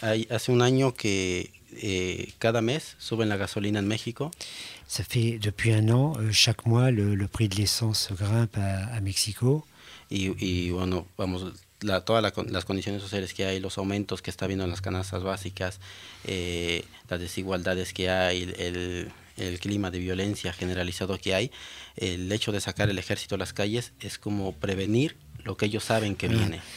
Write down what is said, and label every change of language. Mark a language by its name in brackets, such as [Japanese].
[Spanish] Hace un año que cada mes suben la gasolina en México. [French] Ça fait depuis un an, chaque mois, le prix de l'essence grimpe à Mexico. [Spanish] Y bueno, vamos, todas las condiciones sociales que hay, los aumentos que está habiendo en las canastas básicas, las desigualdades que hay, el clima de violencia generalizado que hay, el hecho de sacar el ejército a las calles es como prevenir lo que ellos saben que viene.